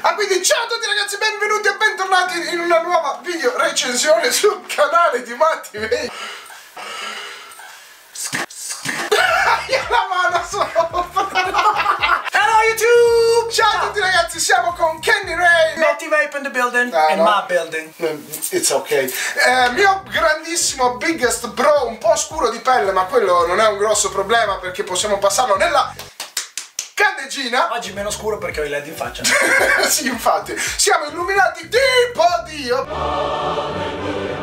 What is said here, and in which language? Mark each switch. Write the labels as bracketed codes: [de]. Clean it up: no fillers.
[it] Ah, quindi ciao a tutti ragazzi, benvenuti e bentornati in una nuova video recensione sul canale di Matti Vey. Io la mano sopra. [en] Hello YouTube. [it] Ciao a tutti ragazzi, siamo con Kenny Ray, [en] Matti Vey in the building, and no. My building. It's okay. [it] Mio grandissimo, [en] biggest bro, [it] un po' scuro di pelle, ma quello non è un grosso problema perché possiamo passarlo nella candeggina. Oggi meno scuro perché ho i led in faccia. Sì, infatti, siamo illuminati tipo Dio.